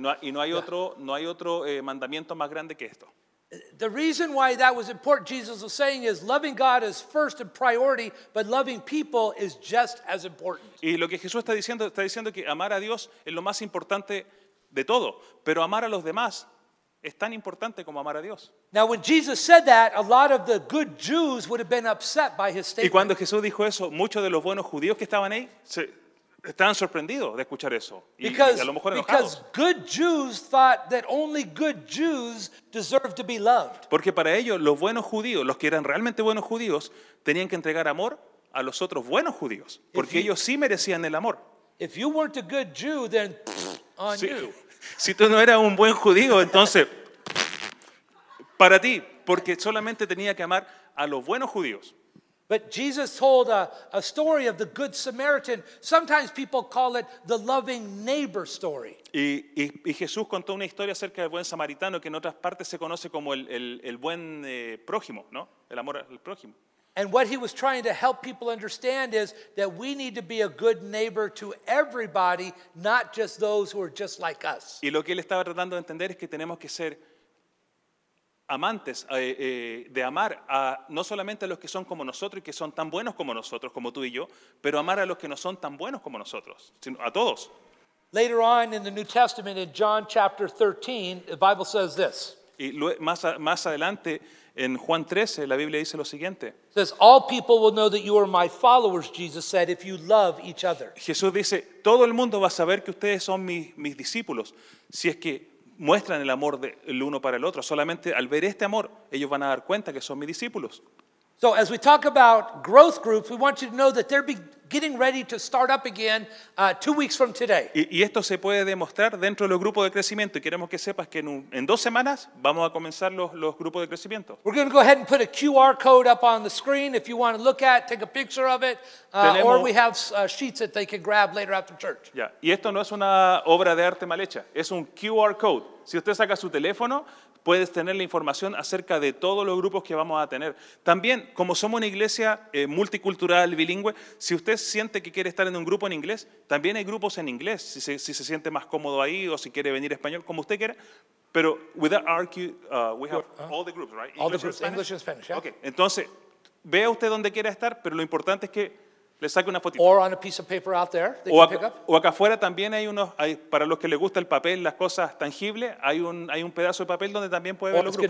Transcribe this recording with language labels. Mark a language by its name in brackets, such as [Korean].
[Spanish] Y no hay otro mandamiento más grande que esto. [English] The reason why that was important, Jesus was saying, is loving God is first a priority, but loving people is just as important. [Spanish] Y lo que Jesús está diciendo que amar a Dios es lo más importante de todo, pero amar a los demás es tan importante como amar a Dios. [English] Now when Jesus said that, a lot of the good Jews would have been upset by his statement. [Spanish] Y cuando Jesús dijo eso, muchos de los buenos judíos que estaban ahí estaban sorprendidos de escuchar eso. Y a lo mejor enojados. [English] Because good Jews thought that only good Jews deserved to be loved. [Spanish] Porque para ellos, los buenos judíos, los que eran realmente buenos judíos, tenían que entregar amor a los otros buenos judíos. Porque ellos sí merecían el amor. [English] If you weren't a good Jew, then on [Spanish] sí. [English] You. [Spanish] Si tú no eras un buen judío, entonces, para ti, porque solamente tenía que amar a los buenos judíos. [English] But Jesus told a story of the good Samaritan. Sometimes people call it the loving neighbor story. [Spanish] Y Jesús contó una historia acerca del buen samaritano que en otras partes se conoce como el buen prójimo, ¿no? El amor al prójimo. [English] And what he was trying to help people understand is that we need to be a good neighbor to everybody, not just those who are just like us. [Spanish] Y lo que él estaba tratando de entender es que tenemos que ser amantes de amar a no solamente a los que son como nosotros y que son tan buenos como nosotros, como tú y yo, pero amar a los que no son tan buenos como nosotros, sino a todos. [English] Later on in the New Testament, in John chapter 13, the Bible says this. [Spanish] Y más adelante en Juan 13 la Biblia dice lo siguiente. [English] It says all people will know that you are my followers, Jesus said, if you love each other. [Spanish] Jesús dice, todo el mundo va a saber que ustedes son mis discípulos si es que muestran el amor del uno para el otro. Solamente al ver este amor, ellos van a dar cuenta que son mis discípulos. [English] So as we talk about growth groups, we want you to know that they're getting ready to start up again 2 weeks from today. [Spanish] Y esto se puede demostrar dentro de los grupos de crecimiento. Y queremos que sepas que en dos semanas vamos a comenzar los grupos de crecimiento. [English] We're going to go ahead and put a QR code up on the screen if you want to look at, take a picture of it, or we have sheets that they can grab later after church. [Spanish] Ya. Y esto no es una obra de arte mal hecha. Es un QR code. Si usted saca su teléfono, puedes tener la información acerca de todos los grupos que vamos a tener. También, como somos una iglesia multicultural, bilingüe, si usted siente que quiere estar en un grupo en inglés, también hay grupos en inglés, si se siente más cómodo ahí o si quiere venir a español, como usted quiera. [English] Pero, without argue, we have all the groups, right? All the groups, English and Spanish, yeah. [Spanish] Okay, entonces, vea usted dónde quiera estar, pero lo importante es que le saque una fotito. [English] Or on a piece of paper out there that you pick up. [Spanish] O acá afuera también hay unos, para los que les gusta el papel, las cosas tangibles, hay un pedazo de papel donde también puede ver los grupos.